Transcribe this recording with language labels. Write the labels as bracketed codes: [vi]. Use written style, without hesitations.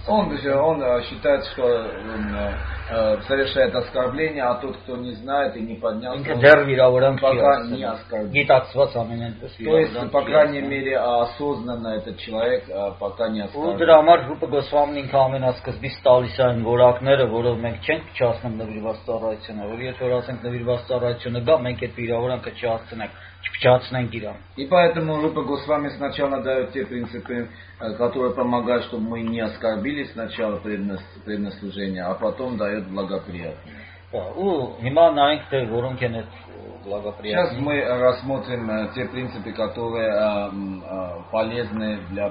[ru] Он считается, что он совершает оскорбление, а тот, кто не знает и не поднялся, он пока не оскорбляет. То есть, по крайней мере, осознанно этот человек пока не оскорбляет. [hy] Մենք չենք փչացնում նվիրված ծառայությունը, որ եթե որ ասենք նվիրված ծառայությունը գա, մենք այդ վիրավորանքը չհասցնենք, չփչացնենք իրան։ [ru] И поэтому группа Госвами сначала дает те принципы, которые помогают, чтобы мы не оскорбились сначала преднаслужения, а потом дает благоприятные. [hy] Ու հիմա նայենք թե որոնք են այդ благоприятные. [ru] Сейчас мы рассмотрим те принципы, которые полезны для